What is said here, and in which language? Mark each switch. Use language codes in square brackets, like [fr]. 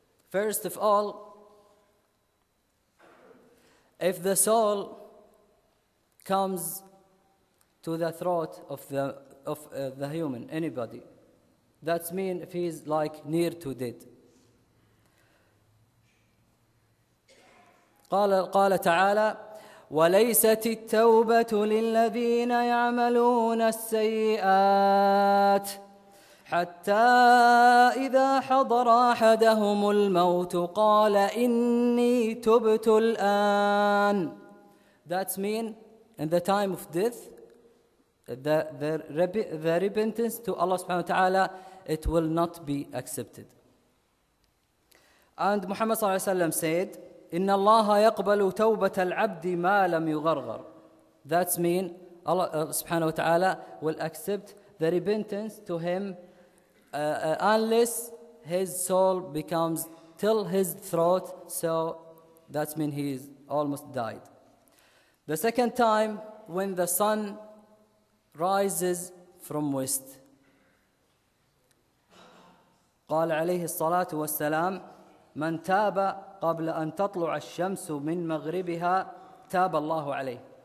[en] First of all, if the soul comes to the throat of the human, anybody, that means if he's like near to dead. [ar] قال تعالى وليست التوبة للذين يعملون السيئات حتى إذا حضر أحدهم الموت قال إني تبت الآن. [en] That means in the time of death, the repentance to Allah subhanahu wa ta'ala, it will not be accepted. And Muhammad صلى الله عليه وسلم said, [ar] إن الله يقبل توبة العبد ما لم يغرغر. [en] That means Allah سبحانه وتعالى will accept the repentance to him unless his soul becomes till his throat. So that means he is almost died. The second time, when the sun rises from west. [ar] قال عليه الصلاة والسلام من تاب قبل أن تطلع الشمس من مغربها تاب الله عليه.